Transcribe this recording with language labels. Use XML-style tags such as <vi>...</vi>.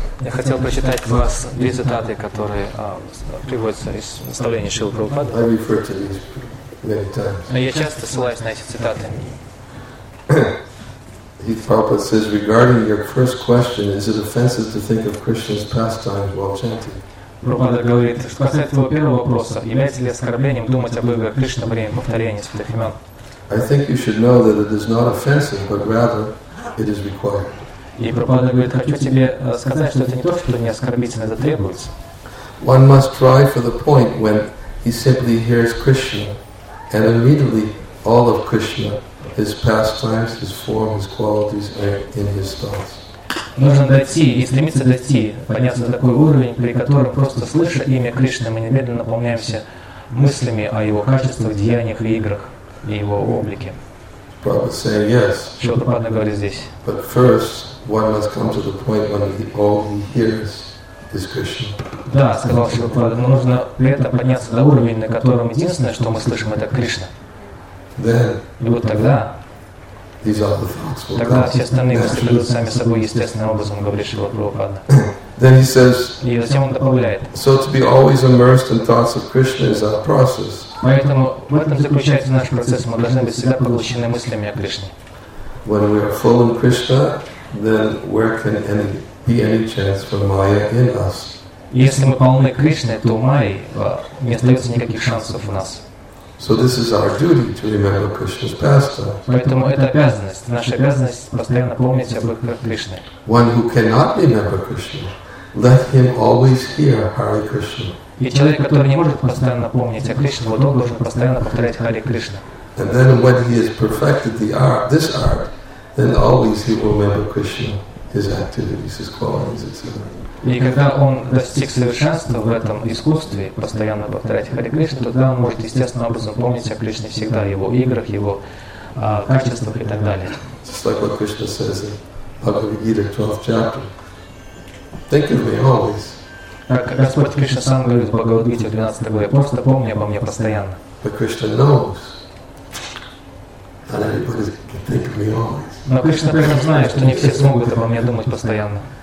<ru>Я хотел прочитать вас две цитаты, которые приводятся из наставления Шрилы Прабхупады.</ru> <en>I refer to these many times.</en> <ru>Я часто ссылаюсь на эти цитаты.</ru> <en>He Prabhupada says, regarding your first question, is it offensive to think of Krishna's pastimes while chanting?</en> <ru>Прабхупада говорит, что касается твоего первого вопроса, является ли оскорблением думать об играх Кришны во время повторения святых имен?</ru> <en>I think you should know that it is not offensive, but rather it is required.</en> <ru>И Прабхупада говорит, хочу тебе сказать, что это не то, что не оскорбительно, это требуется.</ru> <en>One must try for the point when he simply hears Krishna, and immediately all of Krishna, his pastimes, his form, his qualities are in his thoughts.</en> <ru>Нужно дойти и стремиться дойти, подняться на такой уровень, при котором просто слыша имя Кришны, мы немедленно наполняемся мыслями о его качествах, деяниях и играх и его облике.</ru> <en>Prabhupada saying yes.</en> <ru>Шрила говорит здесь.</ru> <en>But first, one must come to the point when all he hears is Krishna.</en> <ru>Да, сказал Шрила, но нужно при этом подняться до уровня, на котором единственное, что мы слышим, это Кришна.</ru> <en>Then.</en> <ru>И вот тогда.</ru> <en>These other thoughts will come.</en> <ru>Тогда все остальные мысли придут сами собой естественным образом, говорит Шрила Прабхупада.</ru> <en>Then he says.</en> <ru>И затем он добавляет.</ru> <en>So to be always immersed in thoughts of Krishna is our process.</en> <ru>Поэтому в этом заключается наш процесс. Мы должны быть всегда поглощены мыслями о Кришне.</ru> <en>When we are full in Krishna, then where can be any chance for Maya in us?</en> <ru>Если мы полны Кришны, то у Майи не остается никаких шансов в нас.</ru> <en>So this is our duty to remember Krishna's pastimes.</en> <ru>Поэтому это обязанность, наша обязанность постоянно помнить об Кришне.</ru> <en>One who cannot remember Krishna, let him always hear Hare Krishna.</en> <ru>И человек, который не может постоянно помнить о Кришне, вот он должен постоянно повторять Харе Кришна.</ru> <en>And then when he has perfected the art, this art, then always he will remember Krishna, his activities, his qualities, etc.</en> <ru>И когда он достиг совершенства в этом искусстве, постоянно повторять Харе Кришна, тогда он может естественным образом помнить о Кришне всегда, о его играх, его качествах и так далее.</ru> <en>Just like what Krishna says in Bhagavad Gita, 12th chapter. Think of me always.</en> <ru>Так Господь Кришна сам говорит в Бхагавад-гите 12 главе, просто помни обо мне постоянно. Но Кришна при этом знает, что не все смогут обо мне думать постоянно.</ru>